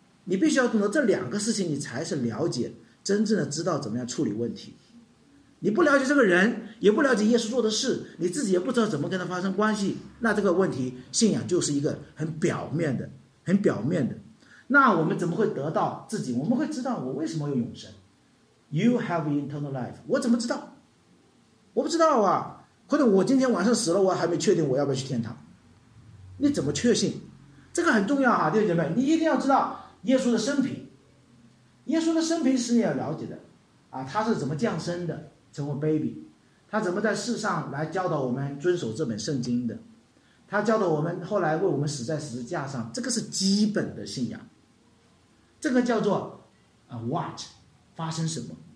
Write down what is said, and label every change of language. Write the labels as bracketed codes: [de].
[zh] 你必须要懂得这两个事情，你才是了解真正的知道怎么样处理问题。你不了解这个人，也不了解耶稣做的事，你自己也不知道怎么跟他发生关系，那这个问题信仰就是一个很表面的，很表面的。那我们怎么会得到自己？我们会知道我为什么有永生？ [en] You have eternal life， [zh] 我怎么知道？我不知道啊，或者我今天晚上死了，我还没确定我要不要去天堂，你怎么确信？这个很重要啊，弟兄姐妹，你一定要知道耶稣的生平，耶稣的生平是你要了解的啊，他是怎么降生的，成为 baby， 他怎么在世上来教导我们遵守这本圣经的，他教导我们后来为我们死在十字架上，这个是基本的信仰，这个叫做 what， 发生什么。